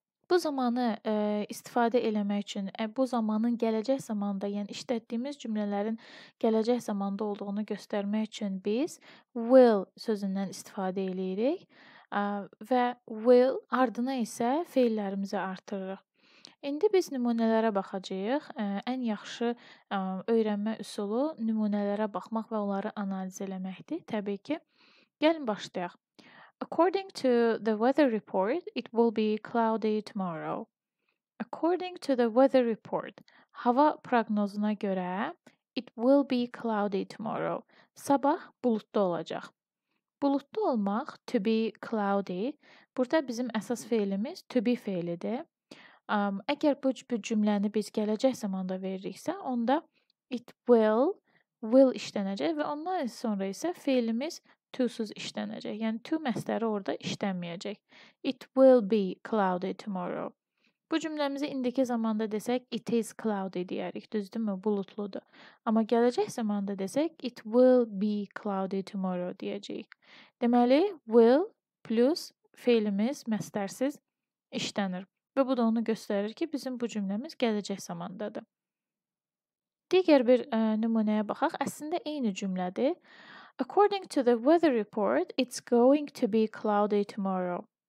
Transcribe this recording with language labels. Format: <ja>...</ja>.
<az>Bu zamanı istifadə eləmək üçün, bu zamanın gələcək zamanda, yəni işlətdiyimiz cümlələrin gələcək zamanda olduğunu göstərmək üçün biz will sözündən istifadə eləyirik və will ardına isə feillərimizi artırırıq. İndi biz nümunələrə baxacaq. Ən yaxşı öyrənmə üsulu nümunələrə baxmaq və onları analiz eləməkdir. Təbii ki, gəlin başlayaq.</az> <en>According to the weather report, it will be cloudy tomorrow. According to the weather report,</en> <az>hava proqnozuna görə,</az> <en>it will be cloudy tomorrow.</en> <az>Sabah buludlu olacaq. Buludlu olmaq,</az> <en>to be cloudy.</en> <az>Burada bizim əsas feilimiz to be feilidir. Əgər bu cümləni biz gələcək zamanda veririksə, onda</az> <en>it will</en> <az>işlənəcək və ondan sonra isə feilimiz to-suz işlənəcək. Yəni, to məsdəri orada işlənməyəcək.</az> <en>It will be cloudy tomorrow.</en> <az>Bu cümləmizi indiki zamanda desək,</az> <en>it is cloudy</en> <az>deyərik, düzdürmü, bulutludur. Amma gələcək zamanda desək,</az> <en>it will be cloudy tomorrow</en> <az>deyəcəyik. Deməli, will plus feilimiz məsdərsiz işlənir. Və bu da onu göstərir ki, bizim bu cümləmiz gələcək zamandadır. Digər bir nümunəyə baxaq. Əslində, eyni cümlədir.</az> <en>According to the weather report, it's going to be cloudy tomorrow.</en>